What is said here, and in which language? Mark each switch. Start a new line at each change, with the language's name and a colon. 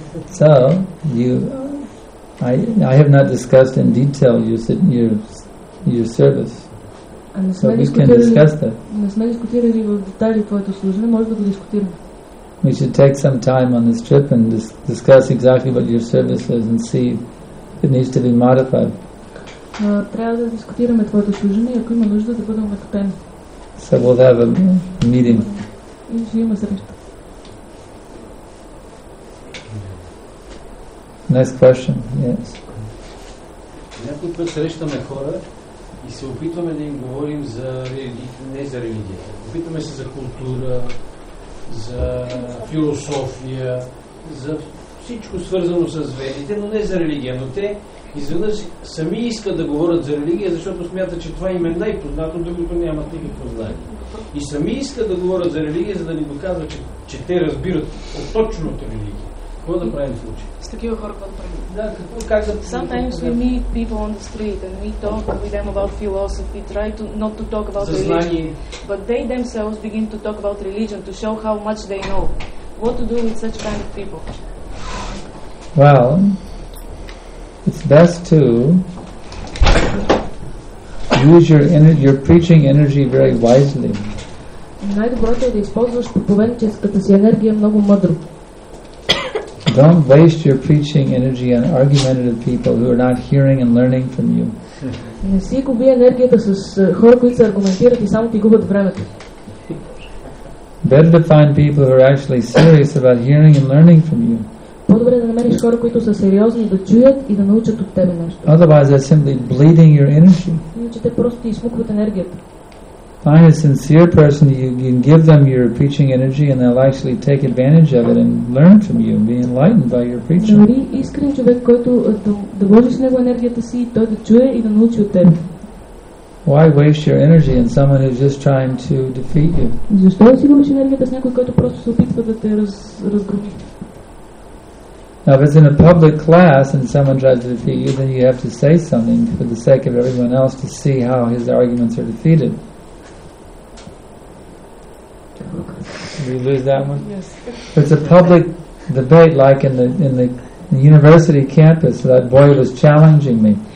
English: So, I have not discussed in detail your service. So we can discuss that. We should take some time on this trip and discuss exactly what your service is and see if it needs to be modified.
Bulgarian: Трябва да дискутираме твоето служение, ако има нужда да бъдем накопени.
English: So we'll have a meeting.
Bulgarian: И ще има среща.
English: Next question, yes.
Bulgarian: Някой път срещаме хора и се опитваме да им говорим за не за религия. Опитваме се за култура, за философия, за всичко свързано с ведите, но не за религия. Но те изведнъж сами искат да говорят за религия, защото смятат, че това им е най-познато, другото нямат никакво знание. И сами искат да говорят за религия, за да ни доказват, че те разбират точно от религия. Какво да правим в случай? С такива хора, какво да правим? Да, как да...
English: Sometimes we meet people on the street and we talk with them about philosophy, try to not to talk about religion.
Bulgarian: За знание.
English: But they themselves begin to talk about religion to show how much they know. What to do with such kind of people? Well, it's best to use your your preaching energy very wisely.
Bulgarian: Най-доброто е да използваш проповедническата си енергия много мъдро.
English: Don't waste your preaching energy on argumentative people who are not hearing and learning from you.
Bulgarian: Не си губи енергията с хора, които се аргументират и само ти губят времето.
English: Better to find people who are actually serious about hearing and learning from you.
Bulgarian: По-добре да намериш хора, които са сериозни, да чуят и да научат от тебе нещо.
English: Otherwise, they're simply bleeding your energy.
Bulgarian: Иначе те просто изсмукват енергията.
English: Find a sincere person, you can give them your preaching energy and they'll actually take advantage of it and learn from you and be enlightened by your preaching.
Bulgarian: Намери искрен човек, който да вложиш в него енергията си и той да чуе и да научи от тебе.
English: Why waste your energy on someone who's just trying to defeat you?
Bulgarian: Защо си губиш енергията с някой, който просто се опитва да те разгроми?
English: Now, if it's in a public class and someone tries to defeat you, then you have to say something for the sake of everyone else to see how his arguments are defeated. Did we lose that one? Yes. If it's a public debate, like in the university campus, so that boy was challenging me.